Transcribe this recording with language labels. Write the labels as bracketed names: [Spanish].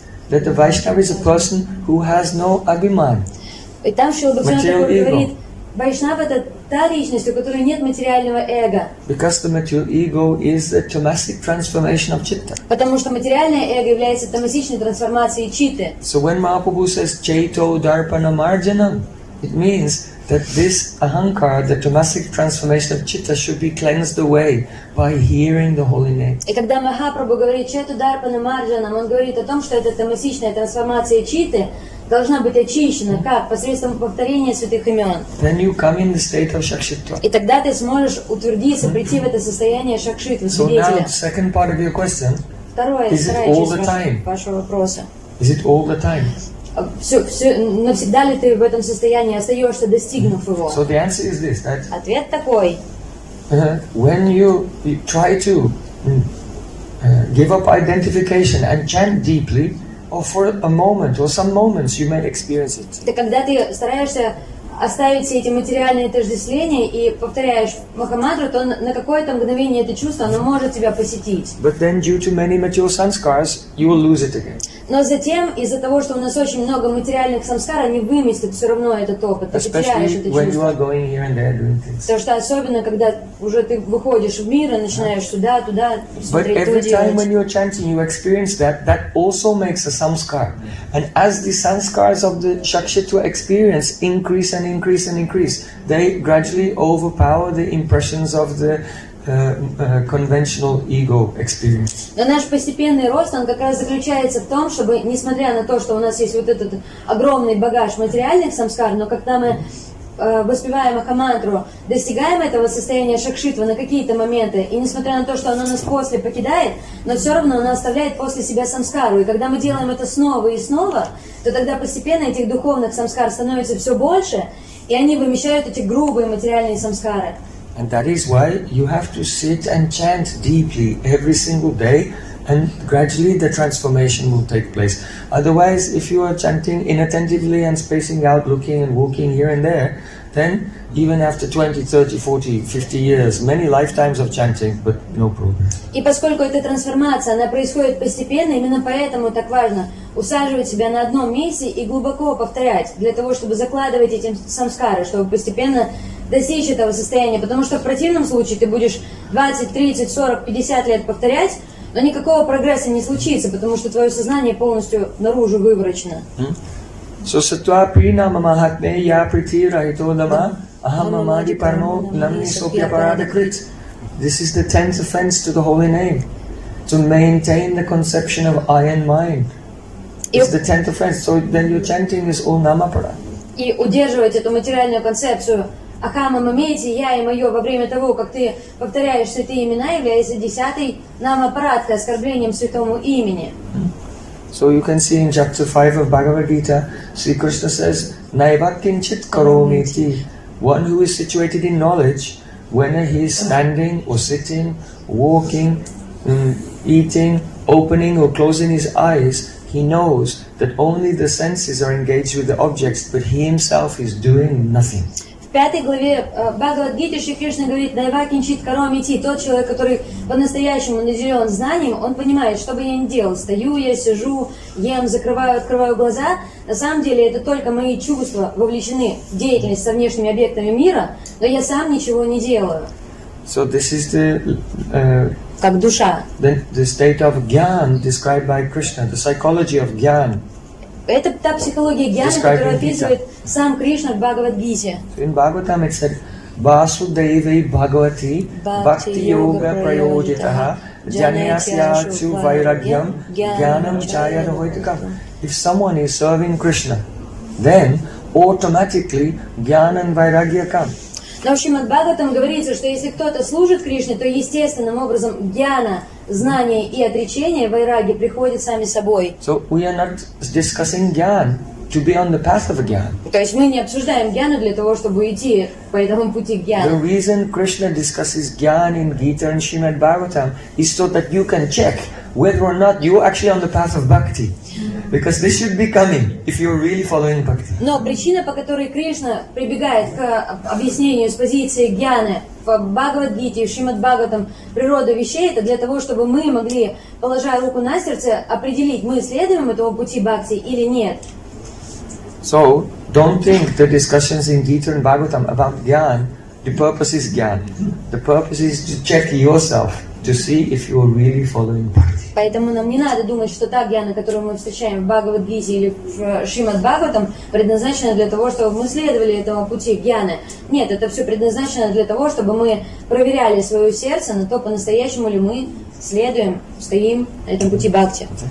[English] That the Vaishnava is a person who has no abhiman. [Russian] И там Шрила Бхактивинода Такур говорит, Вайшнава — это та личность, у которой нет материального эго. [English] Because the material ego is a tamasic transformation of chitta. [Russian] Потому что материальное эго является тамасичной трансформацией читты. [English] So when Mahaprabhu says [Sanskrit] Chaito Darpana Marjanam, [English] it means that this ahankar, the tamasic transformation of chitta, should be cleansed away by hearing the holy name. [Russian] И когда Махапрабху говорит [Sanskrit] Чету Дарпана Марджанам, [Russian] он говорит о том, что эта тамасичная трансформация читты должна быть очищена как посредством повторения святых имен. [English] Then you come in the state of шакшитва. [Russian] И тогда ты сможешь утвердиться, прийти в это состояние шакшитвы, свидетеля. [English] So now the second part of your question. [Russian] Второе, [English] is it all the time? [Russian] Вашего вопроса. [English] Is it all the time? [Russian] Все, навсегда ли ты в этом состоянии остаешься, достигнув его? [English] So the answer is this, that [Russian] ответ такой. [English] When you try to give up identification and chant deeply, or for a moment, or some moments, you may experience it. [Russian] Да когда ты стараешься оставить все эти материальные отождествления и повторяешь Махамантру, то на какое-то мгновение это чувство, оно может тебя посетить. [English] But then, due to many material sanskars, you will lose it again. [Russian] Но затем, из-за того, что у нас очень много материальных самскар, они выместят все равно этот опыт, ты потеряешь это чувство. Потому что особенно, когда уже ты выходишь в мир и начинаешь сюда, туда, смотреть, [English] every [Russian] туда [English] time When you're chanting, you experience that, that also makes a samskar. And as the samskars of the Shakshitva experience increase and increase and increase, they gradually overpower the impressions of the conventional ego experience. [Russian] Но наш постепенный рост, он как раз заключается в том, чтобы, несмотря на то, что у нас есть вот этот огромный багаж материальных самскар, но когда мы воспеваем Махамантру, достигаем этого состояния шакшитва на какие-то моменты, и несмотря на то, что оно нас после покидает, но все равно оно оставляет после себя самскару. И когда мы делаем это снова и снова, то тогда постепенно этих духовных самскар становится все больше, и они вымещают эти грубые материальные самскары. [English] And that is why you have to sit and chant deeply every single day, and gradually the transformation will take place. Otherwise, if you are chanting inattentively and spacing out, looking and walking here and there, then even after 20, 30, 40, 50 years, many lifetimes of chanting, but no progress. [Russian] И поскольку эта трансформация, она происходит постепенно, именно поэтому так важно усаживать себя на одном месте и глубоко повторять, для того, чтобы закладывать эти самскары, чтобы постепенно достичь этого состояния, потому что в противном случае ты будешь 20, 30, 40, 50 лет повторять, но никакого прогресса не случится, потому что твое сознание полностью наружу выворочено. [Sanskrit] So sattvapina mamahatme ya priti rahito nama ahamamadi parmo namni sopya paradakrit. [English] This is the 10th offense to the holy name. To maintain the conception of I and mine. It's the 10th offense. So then your chanting is all namapara. [Russian] И удерживать эту материальную концепцию [Sanskrit] Ахама Мамети, [Russian] я и мое, во время того, как ты повторяешь святые имена, является десятой намапаратхой, оскорблением святому имени. [English] So you can see in chapter 5 of Bhagavad Gita, Sri Krishna says, [Sanskrit] Naivakin chit karomiti. [English] One who is situated in knowledge, whether he is standing or sitting, walking, eating, opening or closing his eyes, he knows that only the senses are engaged with the objects, but he himself is doing nothing. [Russian] В пятой главе Бхагавад-гиты Шри Кришна говорит [Sanskrit] «Найвакинчит каромити» [Russian] — тот человек, который по-настоящему наделен знанием, он понимает, что бы я ни делал, стою я, сижу, ем, закрываю, открываю глаза, на самом деле это только мои чувства вовлечены в деятельность со внешними объектами мира, но я сам ничего не делаю. [English] So this is the, [Russian] как душа. [English] The state of gyan described by Krishna, the psychology of gyan. [Russian] Это та психология гьяны, которую описывает сам Кришна в Бхагавад-гите. [English] In Bhagavatam it said, [Sanskrit] Vasudevai Bhagavati Bhakti Yoga Prayojitaha Janayasya Chu Vairagyam Gyanam Chayana Vaitika. [English] If someone is serving Krishna, then automatically Gyanam Vairagya come. [Russian] В общем, от Бхагаватам говорится, что если кто-то служит Кришне, то естественным образом гьяна, знание и отречение, вайраги, приходят сами собой. [English] So we are not discussing gyan to be on the path of gyan. [Russian] То есть мы не обсуждаем гьяну для того, чтобы идти по этому пути гьяна. [English] The reason Krishna discusses gyan in Gita and Srimad Bhagavatam is so that you can check whether or not you are actually on the path of bhakti. Because this should be coming if you are really following bhakti. [Russian] Но причина, по которой Кришна прибегает к объяснению с позиции гьяны в Бхагавад-гите, в Шримад-Бхагаватам, природа вещей, это для того, чтобы мы могли, положа руку на сердце, определить, мы следуем этого пути бхакти или нет. [English] So, don't think the discussions in Gita and Bhagavatam about gyan, the purpose is gyan. The purpose is to check yourself to see if you are really following bhakti. [Russian] Поэтому нам не надо думать, что та гьяна, которую мы встречаем в Бхагавад-гите или в Шримад-Бхагаватам, предназначена для того, чтобы мы следовали этому пути гьяны. Нет, это все предназначено для того, чтобы мы проверяли свое сердце на то, по-настоящему ли мы следуем, стоим на этом пути бхакти.